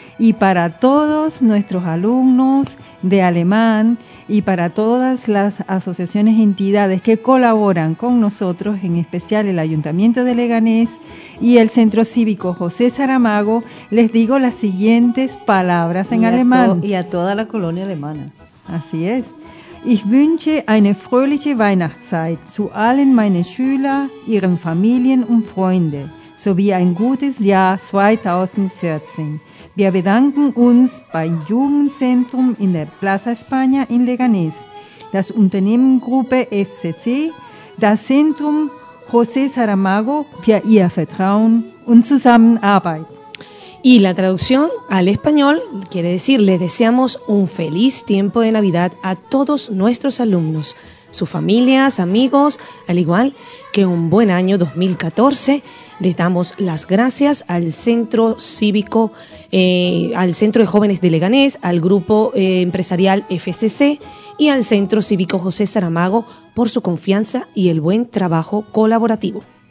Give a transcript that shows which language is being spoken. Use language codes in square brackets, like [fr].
[es] Y para todos nuestros alumnos de alemán y para todas las asociaciones e entidades que colaboran con nosotros, en especial el Ayuntamiento de Leganés y el Centro Cívico José Saramago, les digo las siguientes palabras en alemán. Y a toda la colonia alemana. Así es. [de] Ich wünsche eine fröhliche Weihnachtszeit zu allen meinen Schülern, ihren Familien und Freunden sowie ein gutes Jahr 2014. Wir bedanken uns beim Jugendzentrum in der Plaza España in Leganés, das Unternehmen Gruppe FCC, das Zentrum José Saramago für ihr Vertrauen und Zusammenarbeit. [es] Y la traducción al español quiere decir: les deseamos un feliz tiempo de Navidad a todos nuestros alumnos, sus familias, amigos, al igual que un buen año 2014. Les damos las gracias al Centro Cívico, al Centro de Jóvenes de Leganés, al Grupo Empresarial FCC y al Centro Cívico José Saramago por su confianza y el buen trabajo colaborativo.